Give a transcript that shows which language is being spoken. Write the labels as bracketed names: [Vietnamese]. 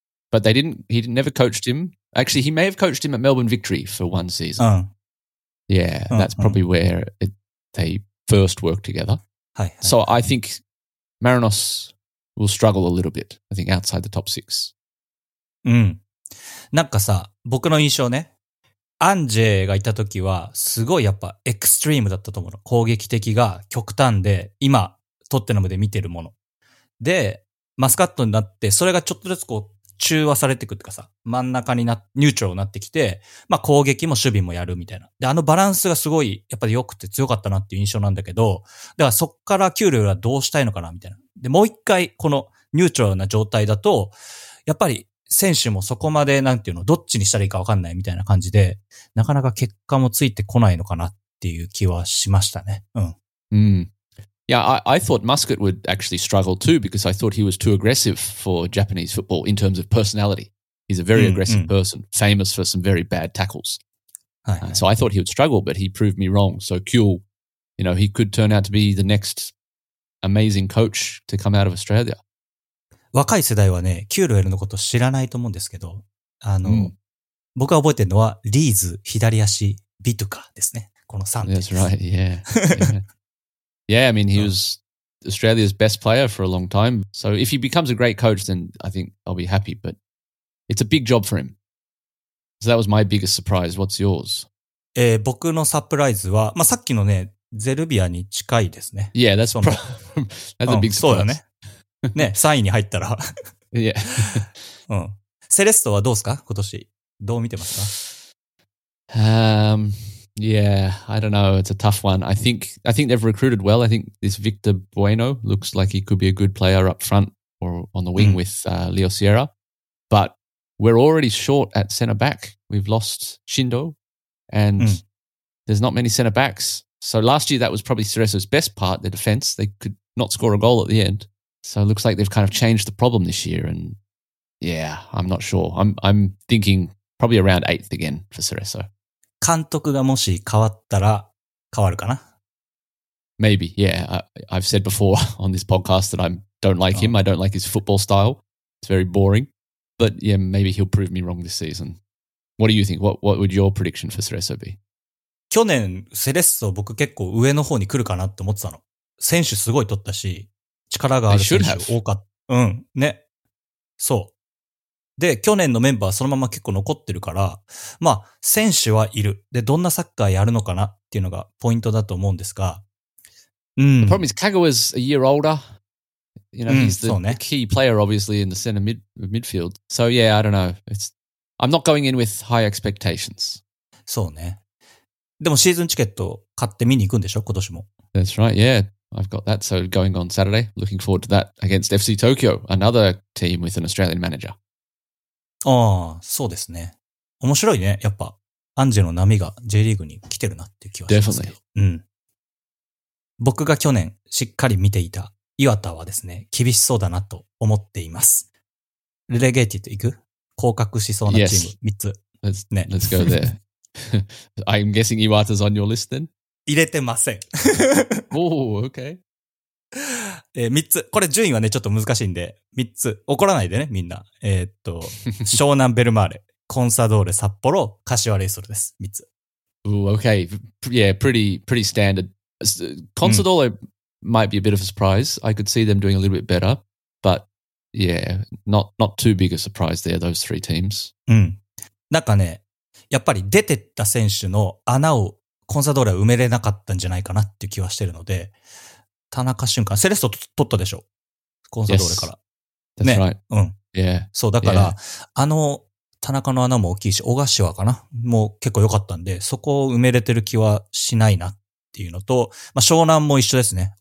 [English] But they didn't, he never coached him. Actually, he may have coached him at Melbourne Victory for one season. Yeah, that's probably where they... first work together. [Japanese] はい、はい、 [English] so I think Marinos will struggle a little bit. I think outside the top six. [Japanese] うん。なんかさ、僕の印象ね、アンジェがいた時はすごいやっぱエクストリームだったと思うの。攻撃的が極端で、今トッテナムで見てるもの。で、マスカットになって、それがちょっとずつこう中和されていくってかさ、真ん中になニュートラルになってきて、まあ攻撃も守備もやるみたいな。で、あのバランスがすごいやっぱり良くて強かったなっていう印象なんだけど、ではそっからキュールはどうしたいのかなみたいな。で、もう一回このニュートラルな状態だと、やっぱり選手もそこまでなんていうの、どっちにしたらいいかわかんないみたいな感じで、なかなか結果もついてこないのかなっていう気はしましたね。 [English] Yeah, I thought Muscat would actually struggle too because I thought he was too aggressive for Japanese football in terms of personality. He's a very aggressive person, famous for some very bad tackles. So I thought he would struggle, but he proved me wrong. So Kuehl, you know, he could turn out to be the next amazing coach to come out of Australia. [Japanese] 若い世代はね、キュールエルのこと知らないと思うんですけど、あの、僕が覚えてるのはリーズ、左足、ビトゥカですね。この3点です。 [English] That's right, yeah. yeah. Yeah, I mean, he was Australia's best player for a long time. So if he becomes a great coach, then I think I'll be happy. But it's a big job for him. So that was my biggest surprise. What's yours? [Japanese] 僕のサプライズは、まあ、さっきのね、ゼルビアに近いですね。 [English] Yeah, that's, that's a big surprise. [Japanese] そうだね。ね、3位に入ったら。 [English] Yeah. [Japanese] セレストはどうですか? 今年。どう見てますか? [English] Yeah, I don't know. It's a tough one. I think they've recruited well. I think this Victor Bueno looks like he could be a good player up front or on the wing with Leo Sierra. But we're already short at center back. We've lost Shindo and there's not many center backs. So last year, that was probably Cerezo's best part, their defense. They could not score a goal at the end. So it looks like they've kind of changed the problem this year. And yeah, I'm not sure. I'm thinking probably around eighth again for Cerezo. [Japanese] 監督がもし変わったら変わるかな? [English] Maybe, yeah. I've said before on this podcast that I don't like him. I don't like his football style. It's very boring. But yeah, maybe he'll prove me wrong this season. What do you think? What would your prediction for Cerezo be? [Japanese] 去年、セレッソ僕結構上の方に来るかなって思ってたの。選手すごい取ったし、力がある選手多かった。うん、ね。そう。で、去年のメンバーそのまま結構残ってるから、まあ、選手はいる。で、どんなサッカーやるのかなっていうのがポイントだと思うんですが。うん。 [English] The problem is Kagawa's a year older. You know, he's the key player obviously in the center midfield. So yeah, I don't know. I'm not going in with high expectations. [Japanese] そうね。でもシーズンチケット買って見に行くんでしょ、今年も。 [English] That's right, yeah. I've got that. So going on Saturday, looking forward to that against FC Tokyo, another team with an Australian manager. [Japanese] ああ、そうですね。面白いね。やっぱ、アンジェの波が J リーグに来てるなっていう気はしますけど。 [English] Definitely. [Japanese] うん。僕が去年しっかり見ていた岩田はですね、厳しそうだなと思っています。レレゲーティッド行く? 降格しそうなチーム、 [English] yes. [Japanese] 3つ。 [English] Let's, ね。Let's go there. I'm guessing Iwata's on your list then? [Japanese] 入れてません。 [English] Oh, okay. [Japanese] 3つ。これ順位はね、ちょっと難しいんで、3つ。怒らないでね、みんな。湘南ベルマーレ、コンサドーレ札幌、柏レイソルです。 3つ。 [English] Ooh, okay. Yeah, pretty standard. コンサドーレ might be a bit of a surprise. I could see them doing a little bit better. But yeah, not too big a surprise there, those three teams. [Japanese] うん。なんかね、やっぱり出てった選手の穴をコンサドーレは埋めれなかったんじゃないかなっていう気はしてるので、田中俊介、セレッソ取ったでしょ、コンサドーレから。 [English] Yes. That's right. [Japanese] ね、うん。 [English] Yeah. [Japanese] そう、だから、yeah. あの、田中の穴も大きいし、小柏かなもう結構良かったんで、そこを埋めれてる気はしないなっていうのと、まあ、湘南も一緒ですね。